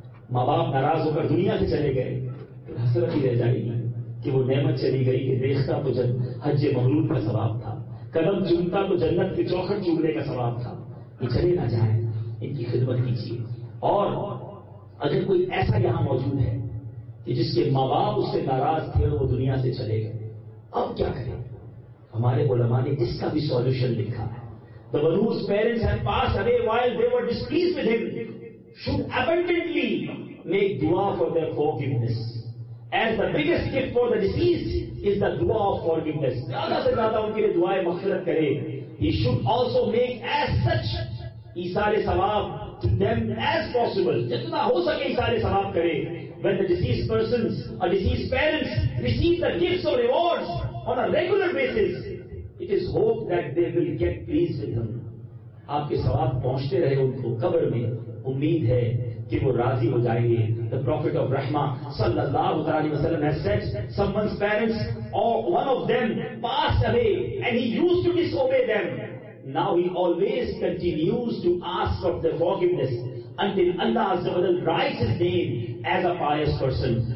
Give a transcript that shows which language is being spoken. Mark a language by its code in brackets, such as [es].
[ur] ماں باپ ناراض ہو کر دنیا سے چلے گئے تو حسرت ہی رہ جائے گی کہ وہ نعمت چلی گئی کہ دیکھتا تو جب حج مغلوب کا ثواب تھا، قدم چومتا تو جنت کی چوکھٹ چومنے کا ثواب تھا. یہ چلے نہ جائیں، ان کی خدمت کیجیے. اور اگر کوئی ایسا یہاں موجود ہے کہ جس کے ماں باپ اس سے ناراض تھے اور وہ دنیا سے چلے گئے، اب کیا کریں؟ ہمارے علماء نے اس کا بھی سولوشن لکھا ہے. [en] The Manu's parents had passed away while they were displeased with him should abundantly make dua for their forgiveness as the biggest gift for the deceased is the dua of forgiveness. [ur] زیادہ سے زیادہ ان کے لیے دعائیں مغفرت کرے. [en] He should also make as such ایثار ثواب to them as possible. [ur] جتنا ہو سکے ایثار ثواب کرے. [en] When the deceased persons or deceased parents receive the gifts or rewards on a regular basis, it is hoped that they will get pleased with them. [ur] آپ کے ثواب پہنچتے رہے ان کو قبر میں، امید ہے کہ وہ راضی ہو جائیں گے. [en] The Prophet of Rahmah صلی اللہ علیہ وسلم has said someone's parents or one of them passed away and he used to disobey them. Now he always continues to ask for their forgiveness until Allah عز و جل writes his name as a pious person.